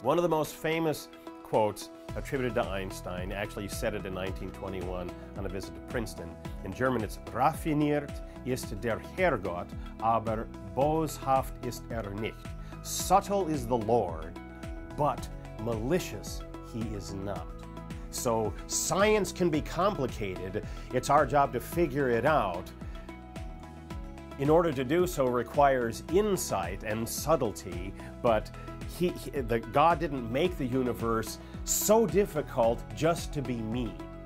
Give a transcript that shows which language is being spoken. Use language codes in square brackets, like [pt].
[en] One of the most famous quotes attributed to Einstein, actually said it in 1921 on a visit to Princeton. In German, it's [de] raffiniert ist der Herrgott, aber boshaft ist nicht. [en] Subtle is the Lord, but malicious he is not. So science can be complicated. It's our job to figure it out. In order to do so requires insight and subtlety, but God didn't make the universe so difficult just to be mean.